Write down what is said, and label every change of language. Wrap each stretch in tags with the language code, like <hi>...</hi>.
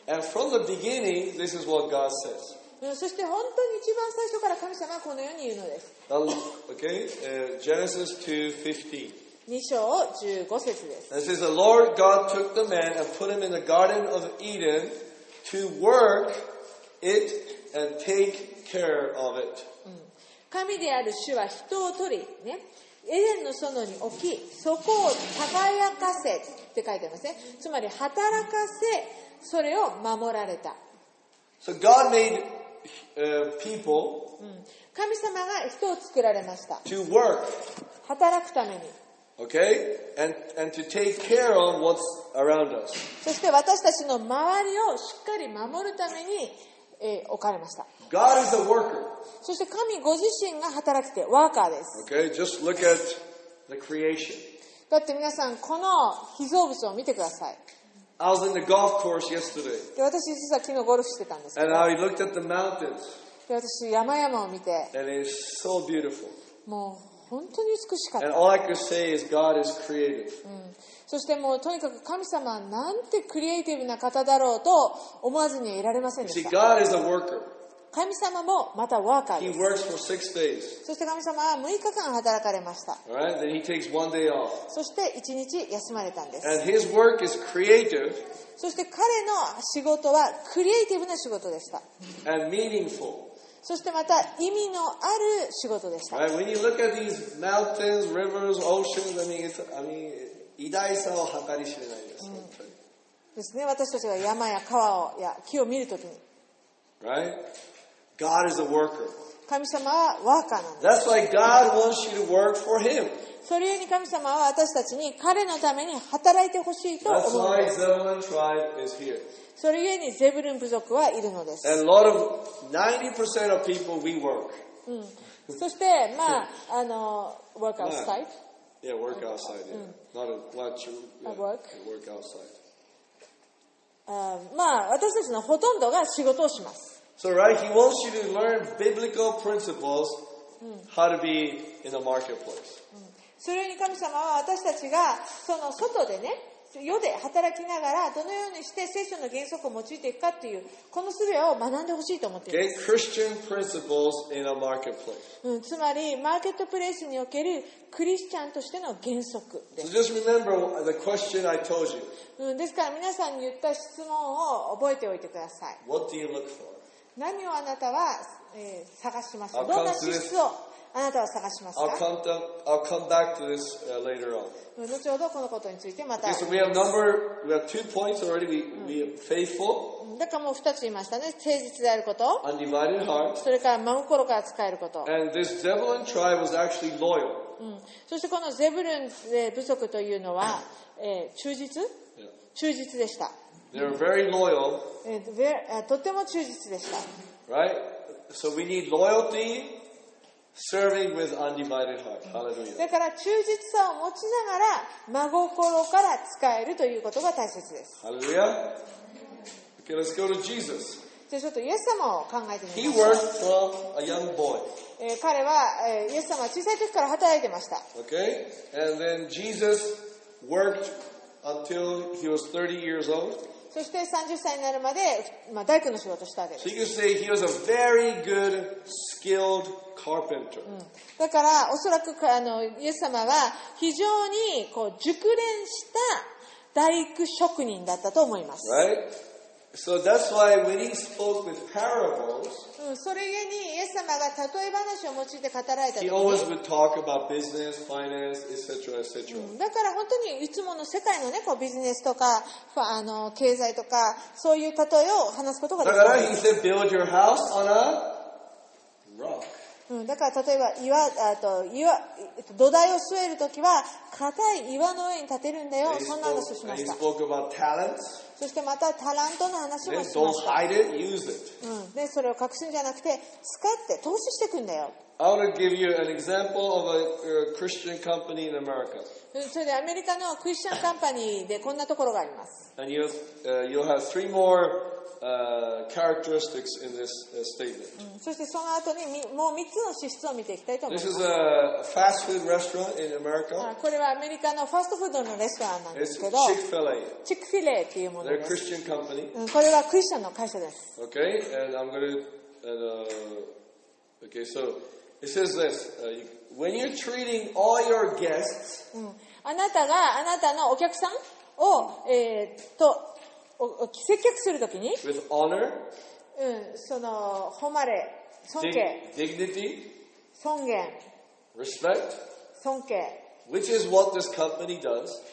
<en>And from the beginning, this is what God says.</en> <ja>そして本当に一番最初から神様はこのように言うのです。</ja> <en>Okay? Genesis 2:15.</en> <ja>2章15節です。</ja> <en>And it says, The Lord God took the man and put him in the garden of Eden to work it and take care of it.</en> <ja>神である主は人を取り、ね。エデンの園に置き、そこを輝かせって書いてますね。つまり働かせ、それを守られた。</ja> <en>So God made, people</en> <ja>神様が人を作られました。</ja> <en>To work.</en> <ja>働くために。</ja> <en>Okay? And to take care of what's around us.</en> <ja>そして私たちの周りをしっかり守るために、置かれました。</ja> <en>God is a worker.</en> <ja>そして神ご自身が働くてワーカーです。</ja> <en>Okay, just look at the creation.</en> <ja>だって皆さんこの被造物を見てください。</ja> <en>I was in the golf course yesterday.</en> <ja>で私実は昨日ゴルフしてたんですけ</ja> <en>ど。And I looked at the mountains.</en> <ja>で私山々を見て。</ja> <en>And it's so beautiful.</en> <ja>もう本当に美しかった。</ja> <en>And all I could say is God is creative.</en> <ja>そしてもうとにかく神様はなんてクリエイティブな方だろうと思わずにはいられませんでした。</ja> <en>See, God is a worker.</en> <ja>神様もまたワーカーです。</ja> <en>He works for six days.</en> <ja>そして神様は6日間働かれました。</ja> <en>Right? Then he takes one day off.</en> <ja>そして1日休まれたんです。</ja> <en>And his work is creative.</en> <ja>そして彼の仕事はクリエイティブな仕事でした。</ja> <en>And meaningful.</en> <ja>そしてまた意味のある仕事でした。</ja> <en>When you look at these mountains, rivers, oceans, I mean,</en> <ja>偉大さを計り知れないです。ですね、私たちが山や川をや木を見るときに。</ja> <en>Right? God is a worker.</en> <ja>神様はワーカーなんです。</ja> <en>That's why God wants you to work for Him.</en> <ja>それゆえに神様は私たちに彼のために働いてほしいと思うんです。</ja> <en>That's why Zebulun tribe is here.</en> <ja>それゆえにゼブルン部族はいるのです。</ja> <en>And a lot of 90% of people we work.</en> <ja>そしてまあ</ja> <en>work outside. Yeah, work outside. Yeah. Not a lot. Work. Work outside.</en> <ja>まあ私たちのほとんどが仕事をします。</ja> <en>So right, he wants you to learn biblical principles how to be in the marketplace.</en> <ja>それゆえに神様は私たちがその外でね。世で働きながらどのようにして聖書の原則を用いていくかというこの術を学んでほしいと思っています。</ja> <en>Okay, Christian principles in a marketplace.</en> <ja>つまりマーケットプレイスにおけるクリスチャンとしての原則です。</ja> <en>So just remember the question I told you.</en> <ja>ですから皆さんに言った質問を覚えておいてください。</ja> <en>What do you look for?</en> <ja>何をあなたは、探しますか。どんな資質をあなたは探しますか。</ja> <en>I'll come back to this later on.</en> <ja>後ほどこのことについてまた。</ja> <en>We have number, we have two points already. We are faithful.</en> <ja>だからもう2つ言いましたね。誠実であること。</ja> <en>Undivided heart.</en> <ja>それから真心から使えること。</ja> <en>And this Zebulun tribe was actually loyal.</en> <ja>そしてこのゼブルン部族というのは、忠実。</ja> <en>Yeah.</en> <ja>忠実でした。</ja> <en>They were very loyal.</en> <ja>とても忠実でした。</ja> <en>Right? So we need loyalty, serving with undivided heart. Hallelujah.</en> <ja>だから忠実さを持ちながら真心から使えるということが大切です。</ja> <en>Hallelujah. Okay, let's go to Jesus.</en> <ja>ちょっとイエス様を考えてみましょう。彼はイエス様は小さい時から働いてました。</ja> <en>Okay. And then Jesus worked until he was 30 years old.</en> <ja>そして30歳になるまで、まあ、大工の仕事をしたわけです。</ja> <en>So you can say he was a very good skilled carpenter.</en> <ja>だからおそらくイエス様は非常にこう熟練した大工職人だったと思います。</ja> <en>Right? So that's why when he spoke with parables,</en> <ja>それゆえにイエス様が例え話を用いて語られた時</ja> <en>に、he always would talk about business, finance, etc., etc.</en> <ja>だから本当にいつもの世界のね、こうビジネスとか経済とかそういう例えを話すことができる。だから</ja> <en>he said, build your house on a rock.</en> <ja>だから例えば土台を据えるときは硬い岩の上に建てるんだよ、そんな話をしました。</ja> <en>He spoke about talents.</en> <ja>そしてまたタラントの話もしました。</ja> <en>Don't hide it, use it.</en> <ja>でそれを隠すんじゃなくて使って投資していくんだよ。</ja> <en>I want to give you an example of a Christian company in America.</en> <ja>それでアメリカのクリスチャンカンパニーでこんなところがあります。</ja> <en>And you'll have three more characteristics in this statement.</en> <ja>そしてその後にもう3つの資質を見ていきたいと思います。</ja> <en>This is a fast food restaurant in America.</en> <ja>これはアメリカのファストフードのレストランなんですけど。</ja> <en>It's Chick-fil-A.</en> <ja>Chick-fil-A っていうものです。</ja> <en>They're a Christian company.</en> <ja>これはクリスチャンの会社です。</ja> <en>Okay, and I'm going to okay, so. It says this, when you're treating all your guests,</en> <ja>あなたがあなたのお客さんを、接客するときに</ja> <en>with honor,</en> <ja>その誉れ、尊敬</ja> <en>dignity,</en> <ja>尊厳</ja> <en>respect,</en> <ja>尊敬</ja> <en>which is what this company does,</en>